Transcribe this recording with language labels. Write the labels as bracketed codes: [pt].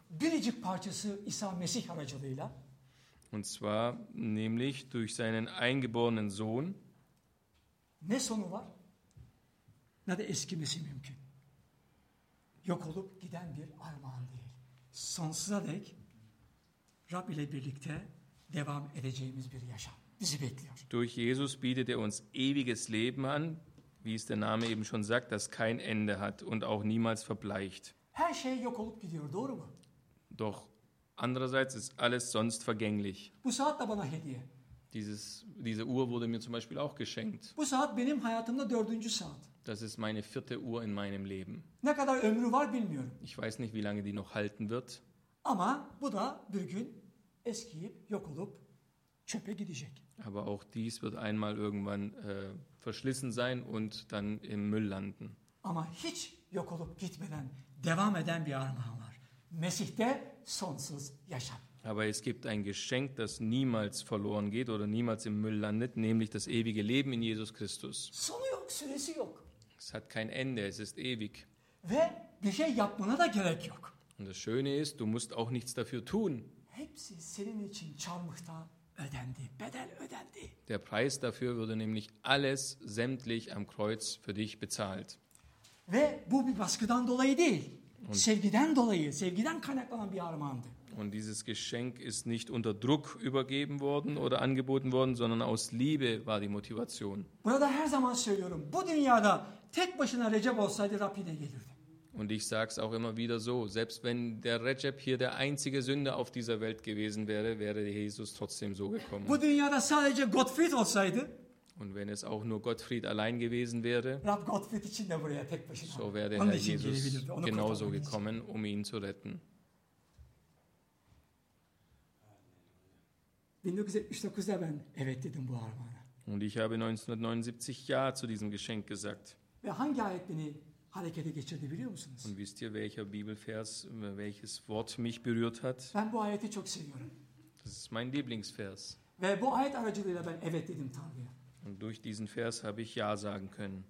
[tr] Biricik parçası İsa Mesih aracılığıyla. [de] Und zwar nämlich durch seinen eingeborenen Sohn. [tr] Ne sonu var? Ne de eskimesi mümkün. Yok olup giden bir armağan değil. Sonsuza dek Rab ile birlikte devam edeceğimiz bir yaşam bizi bekliyor. [de] Durch Jesus bietet uns ewiges Leben an, wie es der Name eben schon sagt, das kein Ende hat und auch niemals verbleicht. [tr] Her şey yok olup gidiyor, doğru mu? [de] Doch andererseits ist alles sonst vergänglich. [tr] Bu saat da bana hediye. [de] Diese Uhr wurde mir zum Beispiel auch geschenkt. [tr] Bu saat benim hayatımda dördüncü saat. [de] Das ist meine vierte Uhr in meinem Leben. [tr] Ne kadar ömrü var bilmiyorum. [de] Ich weiß nicht, wie lange die noch halten wird. [tr] Ama bu da bir gün eskiyip yok olup çöpe gidecek. [de] Aber auch dies wird einmal irgendwann verschlissen sein und dann im Müll landen. [tr] Ama hiç yok olup gitmeden devam eden bir armağan var. Mesih'te sonsuz yaşam. [de] Aber es gibt ein Geschenk, das niemals verloren geht oder niemals im Müll landet, nämlich das ewige Leben in Jesus Christus. [tr] Sonu yok, süresi yok. [de] Es hat kein Ende, es ist ewig. [tr] Ve bir şey yapmana da gerek yok. [de] Und das Schöne ist, du musst auch nichts dafür tun. [tr] Hepsi senin için çarmıhta ödendi, bedel ödendi. [de] Der Preis dafür wurde nämlich alles sämtlich am Kreuz für dich bezahlt. [tr] Ve bu bir baskıdan dolayı değil, sevgiden dolayı, sevgiden kaynaklanan bir armağandı. [de] Und dieses Geschenk ist nicht unter Druck übergeben worden oder angeboten worden, sondern aus Liebe war die Motivation. [tr] Burada her zaman söylüyorum, bu dünyada tek başına Recep olsaydı Rab yine gelirdi. [de] Und ich sage es auch immer wieder so, selbst wenn der Recep hier der einzige Sünder auf dieser Welt gewesen wäre, wäre Jesus trotzdem so gekommen. [tr] Bu dünyada sadece Gottfried olsaydı. [de] Und wenn es auch nur Gottfried allein gewesen wäre, [tr] Rab Gottfried için de buraya tek başına. [de] So wäre der Herr Jesus genauso gekommen, um ihn zu retten. [tr] 1979'da ben evet dedim bu armağana. [de] Und ich habe 1979 ja zu diesem Geschenk gesagt. [tr] Ve hangi ayet beni harekete geçirdi biliyor musunuz? [de] Und wisst ihr, welcher Bibelvers, welches Wort mich berührt hat? [tr] Ben bu ayeti çok seviyorum. [de] Das ist mein Lieblingsvers. [tr] Ve bu ayet aracılığıyla ben evet dedim Tanrı'ya. [de] Und durch diesen Vers habe ich ja sagen können.